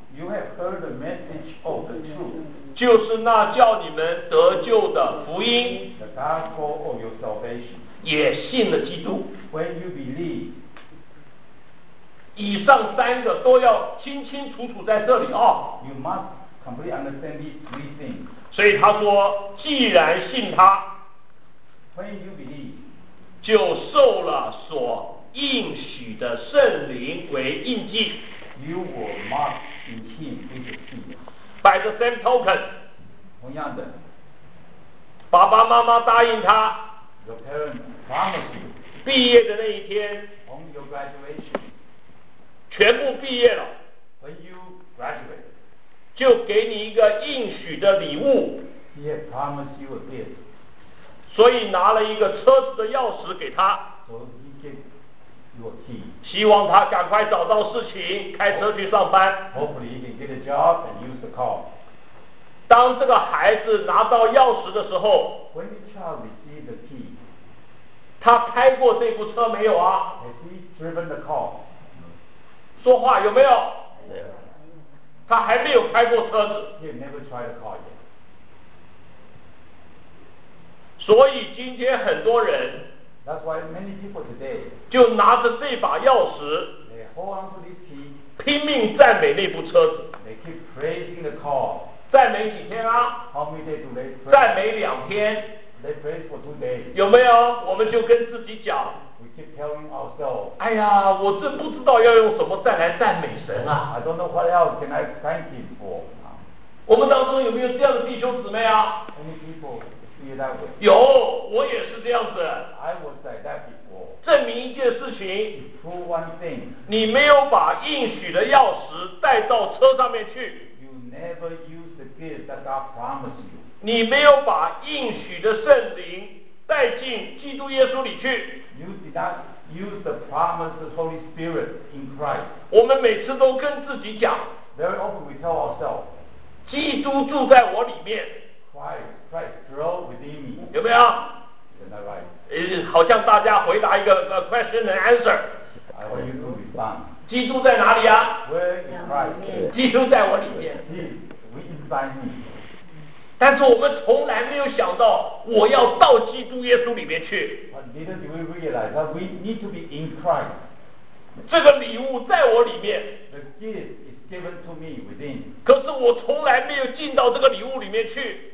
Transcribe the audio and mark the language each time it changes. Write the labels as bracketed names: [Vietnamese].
[English] You have heard the message of the truth. [Chinese] 就是那叫你们得救的福音。 [English] The gospel of your salvation. [Chinese] 也信了基督。 [English] When you believe. [Chinese] 以上三个都要清清楚楚在这里啊。 [English] You must completely understand these three things. [Chinese] 所以他说，既然信他 [English] When you believe, [Chinese] 就受了所应许的圣灵为印记 [English] you will mark in him with the seal. By the same token, [Chinese] 同样的，爸爸妈妈答应他 [English] your parents promise you, [Chinese] 毕业的那一天 [English] on your graduation, [Chinese] 全部毕业了 [English] when you graduate. [Chinese] 就给你一个应许的礼物 [English] He had promised you a gift. [Chinese] 所以拿了一个车子的钥匙给他 [English] so he get your key. [Chinese] 希望他赶快找到事情开车去上班 [English] Hopefully he can get a job and use the car. [Chinese] 当这个孩子拿到钥匙的时候 [English] When the child received the key, [Chinese] 他开过这部车没有啊 [English] Has he driven the car? [Chinese] 说话有没有、 [English] yeah. [Chinese] 他还没有开过车子 [English] He never tried a car yet. [Chinese] 所以今天很多人 [English] That's why many people today, [Chinese] 就拿着这把钥匙 [English] they hold on to this key, [Chinese] 拼命赞美那部车子 [English] they keep praising the car. [Chinese] 赞美几天啊 [English] How many days do they pray? [Chinese] 赞美两天 [English] they praise for two days. [Chinese] 有没有我们就跟自己讲 [English] Keep telling ourselves, [Chinese] 哎呀，我这不知道要用什么再来赞美神啊 [English] I don't know what else can I thank him for. [Chinese] 我们当中有没有这样的弟兄姊妹啊 [English] Any people feel that way? [Chinese] 有，我也是这样子 [English] I was like that before. [Chinese] 证明一件事情 [English] You prove one thing. [Chinese] 你没有把应许的钥匙带到车上面去 [English] You never use the gift that God promised you. [Chinese] 你没有把应许的圣灵带进基督耶稣里去 [English] You did not use the promise of the Holy Spirit in Christ [Chinese] 我们每次都跟自己讲 [English] Very often we tell ourselves [Chinese] 基督住在我里面 [English] Christ dwells within me [Chinese] 有没有 [English] Isn't that right? [Chinese] 好像大家回答一个 [English] question and answer I want you to respond [Chinese] 基督在哪里啊 [English] Where is Christ? [Chinese] 基督在我里面 [English] He is inside me [Chinese] 但是我们从来没有想到我要到基督耶稣里面去 [English] But neither do we realize that we need to be in Christ [Chinese] 这个礼物在我里面 [English] The gift is given to me within [Chinese] 可是我从来没有进到这个礼物里面去